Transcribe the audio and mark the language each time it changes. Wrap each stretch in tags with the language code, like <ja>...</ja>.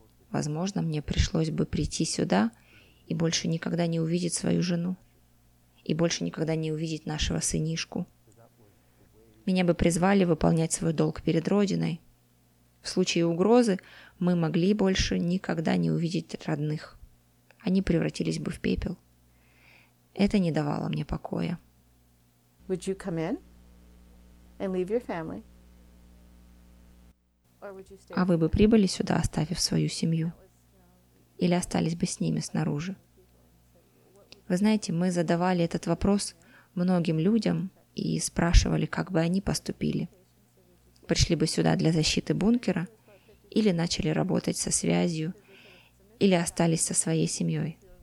<ru>Возможно, мне пришлось бы прийти сюда и больше никогда не увидеть свою жену, и больше никогда не увидеть нашего сынишку. Меня бы призвали выполнять свой долг перед Родиной. В случае угрозы мы могли больше никогда не увидеть родных. Они превратились бы в пепел. Это не давало мне покоя.</ru> <en>Would you come in and leave your family?</en> <ru>А вы бы прибыли сюда, оставив свою семью? Или остались бы с ними снаружи? Вы знаете, мы задавали этот вопрос многим людям и спрашивали, как бы они поступили. Пришли бы сюда для защиты бункера, или начали работать со связью, или остались со своей семьей.</ru>